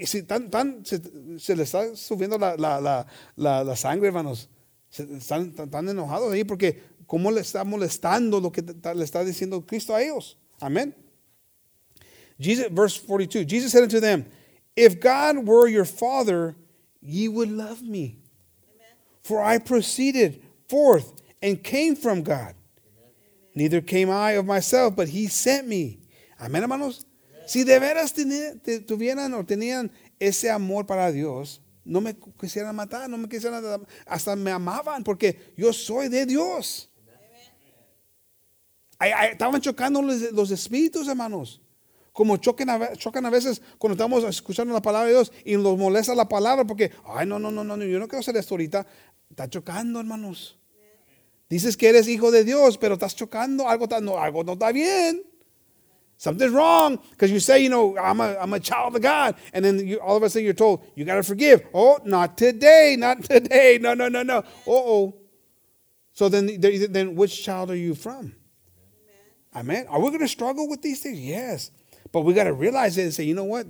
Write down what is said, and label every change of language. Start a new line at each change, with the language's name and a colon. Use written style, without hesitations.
Spanish: Y si están, se les está subiendo la sangre, hermanos. Están enojados ahí porque cómo le está molestando lo que le está diciendo Cristo a ellos.
English: Amén. Jesus, verse 42. Jesus said unto them, if God were your father, ye would love me. Amen. For I proceeded forth and came from God. Amen. Neither came I of myself, but he sent me.
Spanish: Amén, hermanos. Amen. Si de veras tuvieran o tenían ese amor para Dios, no me quisieran matar, no me quisieran, hasta me amaban, porque yo soy de Dios. Amen. Estaban chocando los espíritus, hermanos. Como chocan a veces cuando estamos escuchando la palabra de Dios y nos molesta la palabra porque, ay, no, yo no quiero hacer esto ahorita. Está chocando, hermanos. Dices que eres hijo de Dios, pero estás chocando. Algo no está bien.
English: Something's wrong. Because you say, you know, I'm a child of God. And then you, all of a sudden you're told, you got to forgive. Oh, not today. No. Uh-oh. So then which child are you from? Amen. Are we going to struggle with these things? Yes. But we got to realize it and say, you know what?